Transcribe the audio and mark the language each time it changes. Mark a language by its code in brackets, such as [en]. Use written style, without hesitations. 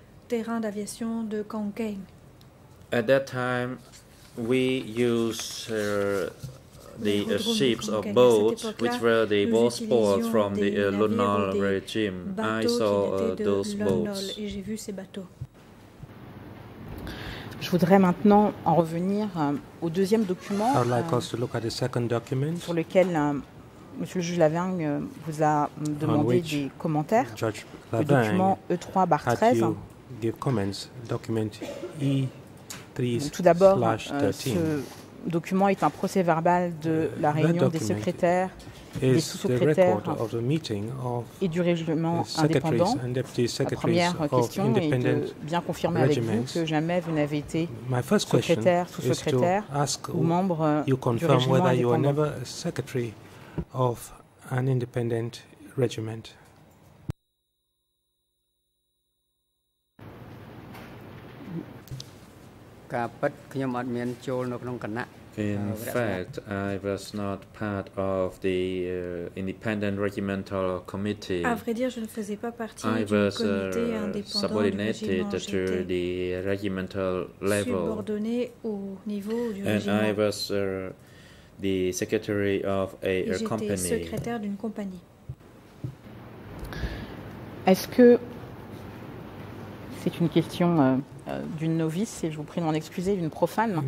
[fr] Terrain d'aviation de Kongkeng. [en] At that time, we used the ships or boats, which were the Bosphorus from the Lunol regime. I saw those boats. [fr] Et j'ai vu ces bateaux. Je voudrais maintenant en revenir au deuxième document [en] I would like us to look at the second document [fr] sur lequel Monsieur le juge Lavergne vous a demandé des commentaires. [en] Judge [fr] le document E3/13. [en] Comments, document [fr] tout d'abord, ce document est un procès-verbal de la réunion des secrétaires, des sous-secrétaires et du règlement indépendant. La première question est de bien confirmer avec vous que jamais vous n'avez été secrétaire, sous-secrétaire ou membre du règlement indépendant. [en] Of an independent regiment. In fact, I was not part of the independent regimental committee. [fr] À vrai dire, je ne faisais pas partie du comité indépendant du régiment. Subordonné au niveau du régiment. [en] And I was the secretary of a company. [fr] J'étais secrétaire d'une compagnie. Est-ce que c'est une question d'une novice, et je vous prie de m'en excuser, d'une profane?